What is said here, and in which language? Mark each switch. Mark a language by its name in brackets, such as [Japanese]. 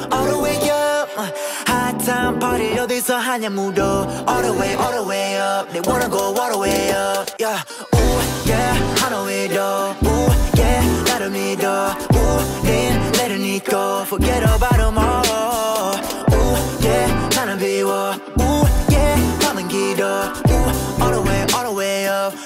[English] All the way up, [Korean] 핫한 파티를 어디서 하냐 물어. [English] All the way up, they wanna go all the way up. Yeah, ooh yeah, [Korean] 하나 위로. Ooh yeah, 나를 믿어. [English] Ooh, [Korean] 린 내를 잊고. [English] Forget about them all. [Korean] Ooh yeah, 나는 비워. Ooh yeah, 밤은 길어. [English] Ooh, all the way, all the way up.